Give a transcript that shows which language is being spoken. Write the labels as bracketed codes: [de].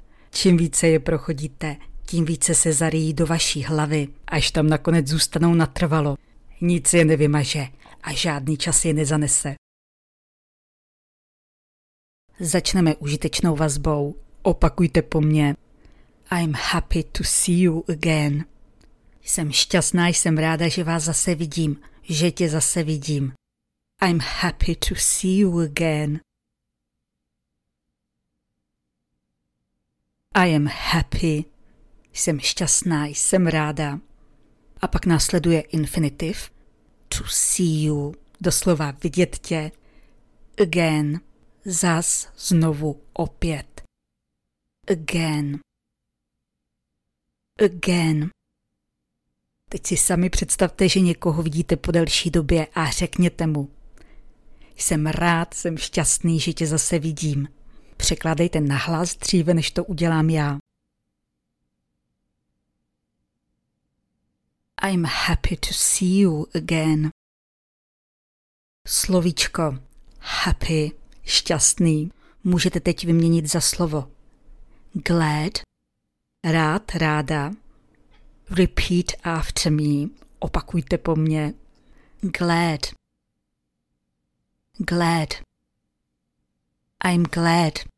[cs] Čím více je prochodíte, tím více se zarijí do vaší hlavy, až tam nakonec zůstanou natrvalo. Nic je nevymaže a žádný čas je nezanese. Začneme užitečnou vazbou. Opakujte po mně. [en] I'm happy to see you again. [cs] Jsem šťastná, jsem ráda, že vás zase vidím, že tě zase vidím. [en] I'm happy to see you again. I am happy. [cs] Jsem šťastná, jsem ráda. A pak následuje infinitiv. [en] To see you. [cs] Doslova vidět tě. [en] Again. [cs] Zas, znovu, opět. [en] Again. Again. [cs] Teď si sami představte, že někoho vidíte po delší době a řekněte mu: jsem rád, jsem šťastný, že tě zase vidím. Překládejte nahlas dříve, než to udělám já. [en] I'm happy to see you again. [cs] Slovíčko happy, šťastný, můžete teď vyměnit za slovo glad, rád, ráda. [en] Repeat after me, [cs] opakujte po mně. [en] Glad. Glad. I'm glad.